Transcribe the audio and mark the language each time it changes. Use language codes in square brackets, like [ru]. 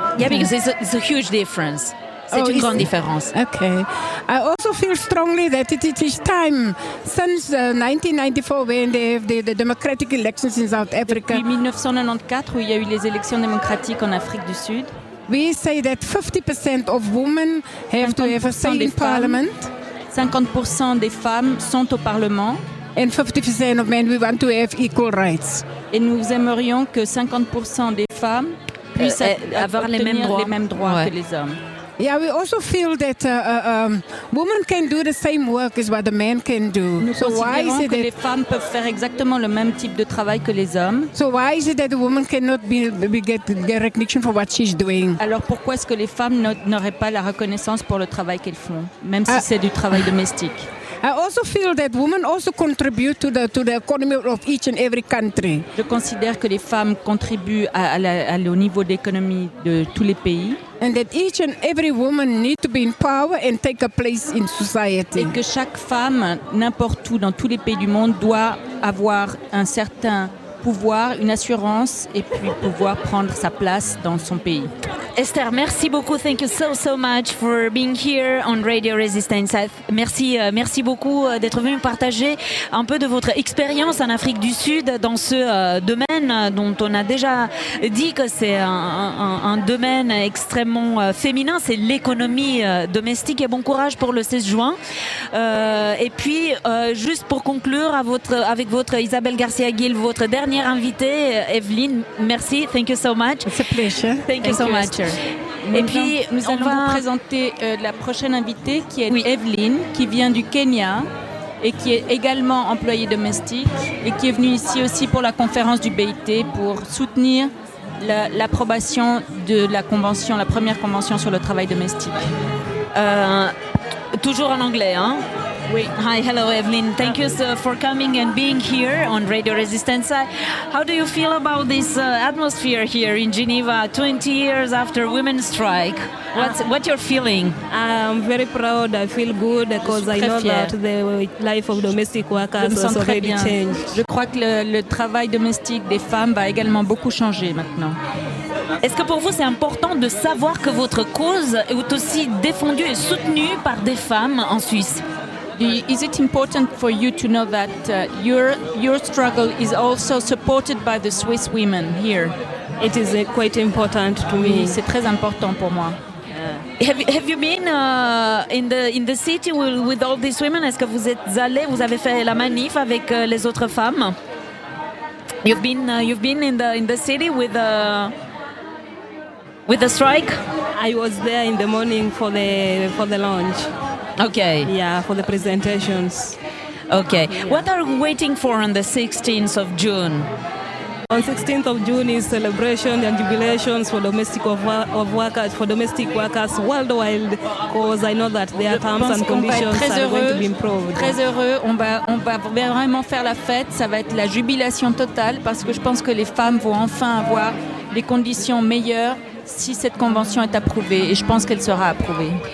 [en] Yeah, because it's a huge difference. [fr] C'est une grande différence. [en] Okay. I also feel strongly that it is time since 1994 when they have the democratic elections in South Africa. [fr] Depuis 1994 où il y a eu les élections démocratiques en Afrique du Sud. [en] We say that 50% of women have to have a say in parliament. [fr] 50% des femmes sont au parlement. [en] And 50% of men, we want to have equal rights. [fr] Et nous aimerions que 50% des femmes puissent avoir les mêmes droits, que les hommes. [en] Yeah, we also feel that women can do the same work as what the men can do. [fr] Nous [en] so why is it that [fr] les femmes peuvent faire exactement le même type de travail que les hommes? [en] So why is it that a woman cannot get recognition for what she's doing? [fr] Alors pourquoi est-ce que les femmes n'auraient pas la reconnaissance pour le travail qu'elles font, même si c'est du travail domestique? [en] I also feel that women also contribute to the economy of each and every country. [fr] Je considère que les femmes contribuent au niveau d'économie de tous les pays. [en] And that each and every woman need to be in power and take a place in society. [fr] Et que chaque femme, n'importe où, dans tous les pays du monde, doit avoir un certain pouvoir, une assurance, et puis pouvoir prendre sa place dans son pays. Esther, merci beaucoup. [en] Thank you so much for being here on Radio Resistance. [fr] Merci beaucoup d'être venu partager un peu de votre expérience en Afrique du Sud dans ce domaine dont on a déjà dit que c'est un domaine extrêmement féminin. C'est l'économie domestique. Et bon courage pour le 16 juin. Et puis, juste pour conclure avec votre Isabelle Garcia-Gil, votre dernière invitée, Evelyne, merci. [en] Thank you so much. It's a pleasure. Thank you so much. [fr] Et puis, nous allons vous présenter la prochaine invitée, qui est Evelyne, qui vient du Kenya et qui est également employée domestique et qui est venue ici aussi pour la conférence du BIT pour soutenir l'approbation de la convention, la première convention sur le travail domestique. Toujours en anglais, hein? Oui. [en] Hi, hello, Evelyne. Thank you for coming and being here on Radio Resistenza. How do you feel about this atmosphere here in Geneva, 20 years after women's strike? What's your feeling? I'm very proud. I feel good because I know that the life of domestic workers has already changed. [fr] Je crois que le travail domestique des femmes va également beaucoup changer maintenant. Est-ce que pour vous c'est important de savoir que votre cause est aussi défendue et soutenue par des femmes en Suisse? [en] Is it important for you to know that your struggle is also supported by the Swiss women here? It is quite important to me. [fr] Oui, c'est très important pour moi. [en] Yeah. Have you been in the city with all these women? [fr] Est-ce que vous êtes allé, vous avez fait la manif avec les autres femmes? [en] You've been in the city with the strike? I was there in the morning for the lunch. Okay. Yeah, for the presentations. Okay. Yeah. What are we waiting for on the 16th of June? On 16th of June is celebration and jubilations for domestic workers worldwide, because I know that their terms and conditions are going to be improved. [fr] Très heureux. On va vraiment faire la fête. Ça va être la jubilation totale, parce que je pense que les femmes vont enfin avoir des conditions meilleures si cette convention est approuvée, et je pense qu'elle sera approuvée.